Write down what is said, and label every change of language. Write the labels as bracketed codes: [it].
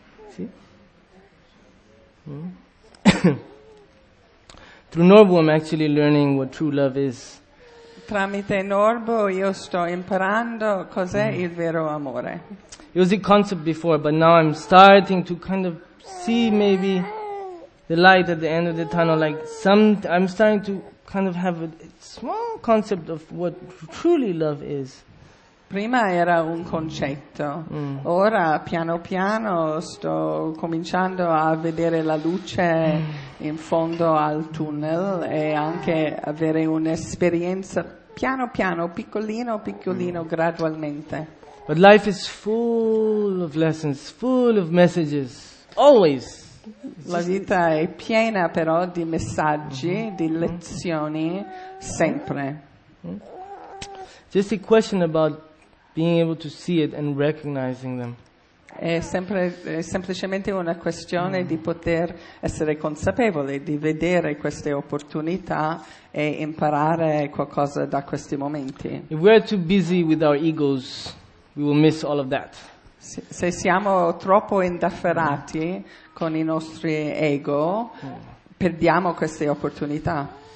[it] Sì? [en] Through Norbu I'm actually learning what true love is. [it] Tramite Norbu io sto imparando cos'è il vero amore. [en] It was a concept before, but now I'm starting to kind of see maybe the light at the end of the tunnel. Like I'm starting to kind of have a small concept of what truly love is. [it] Prima era un concetto. Ora, piano piano, sto cominciando a vedere la luce in fondo al tunnel e anche avere un'esperienza piano piano, piccolino, gradualmente. [en] But life is full of lessons, full of messages, always. [it] La vita è piena però di messaggi, di lezioni, sempre. [en] Just a question about being able to see it and recognizing them. [it] È sempre semplicemente una questione di poter essere consapevole, di vedere queste opportunità e imparare qualcosa da questi momenti. [en] If we are too busy with our egos, we will miss all of that. [it] Se siamo troppo indaffarati con i nostri ego, perdiamo queste opportunità.